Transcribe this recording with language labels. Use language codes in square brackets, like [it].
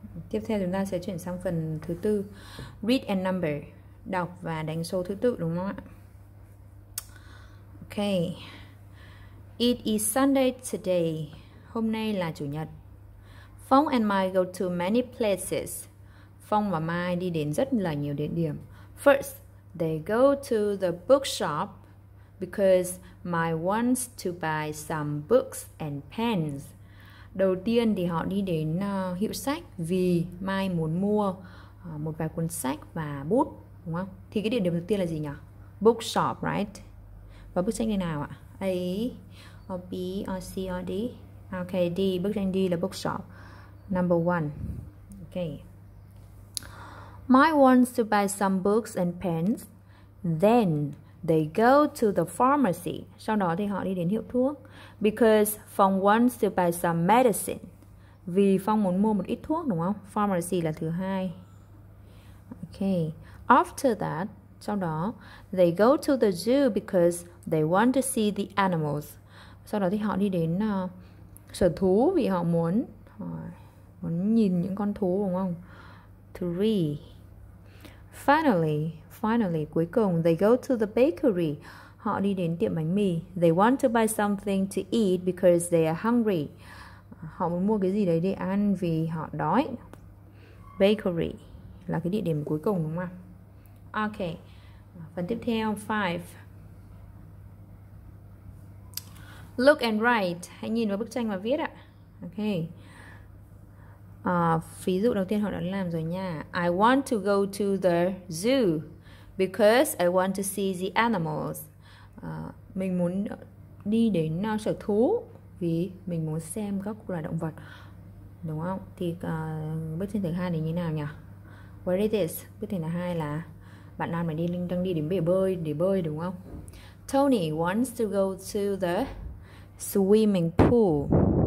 [vi] Tiếp theo chúng ta sẽ chuyển sang phần thứ tư. [en] Read and number. [vi] Đọc và đánh số thứ tự đúng không ạ? [en] Okay. It is Sunday today. [vi] Hôm nay là chủ nhật. [en] Phong and Mai go to many places. [vi] Phong và Mai đi đến rất là nhiều địa điểm. [en] First, they go to the bookshop because Mai wants to buy some books and pens. [vi] Đầu tiên thì họ đi đến hiệu sách vì Mai muốn mua một vài cuốn sách và bút, đúng không? Thì cái địa điểm đầu tiên là gì nhỉ? [en] Bookshop, right? [vi] Và bức tranh đây nào ạ? [en] A, or B, or C, or D? Okay, D, [vi] bức tranh D là [en] bookshop. Number one. Okay. Mai wants to buy some books and pens. Then they go to the pharmacy. [vi] Sau đó thì họ đi đến hiệu thuốc. [en] Because Phong wants to buy some medicine. [vi] Vì Phong muốn mua một ít thuốc, đúng không? Pharmacy là thứ hai. Okay. [en] After that, [vi] sau đó, [en] they go to the zoo because they want to see the animals. [vi] Sau đó thì họ đi đến sở thú vì họ muốn muốn nhìn những con thú, đúng không? [en] Three. Finally, [vi] cuối cùng, [en] they go to the bakery. [vi] Họ đi đến tiệm bánh mì. [en] They want to buy something to eat because they are hungry. [vi] Họ muốn mua cái gì đấy để ăn vì họ đói. Bakery là cái địa điểm cuối cùng, đúng không? Okay, phần tiếp theo, 5. [en] Look and write. [vi] Hãy nhìn vào bức tranh và viết ạ. Okay. Ví dụ đầu tiên họ đã làm rồi nha. [en] I want to go to the zoo because I want to see the animals. [vi] Mình muốn đi đến sở thú vì mình muốn xem các loài động vật. Đúng không? Thì bức tranh thứ 2 này như nào nhỉ? [en] What is this? [vi] Bức tranh thứ 2 là bạn nam này đang đi đến bể bơi để bơi, đúng không? [en] Tony wants to go to the swimming pool.